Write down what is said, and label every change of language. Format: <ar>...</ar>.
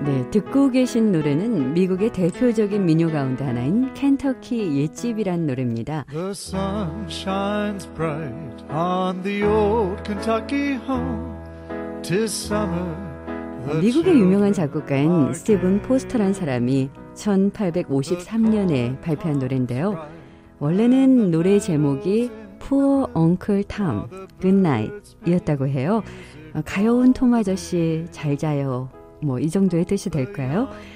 <ko>듣고 계신 노래는 미국의 대표적인 민요 가운데 하나인 켄터키 옛집이란 노래입니다.</ko> <en>The sun shines bright on the old Kentucky home. Tis summer.</en> <ko>미국의 유명한 작곡가인 스티븐 포스터란 사람이 1853년에 발표한 노래인데요. 원래는 노래 제목이 Poor Uncle Tom, Good Night이었다고 해요. 가여운 톰 아저씨 잘 자요. 뭐 이 정도의 뜻이 될까요?</ko>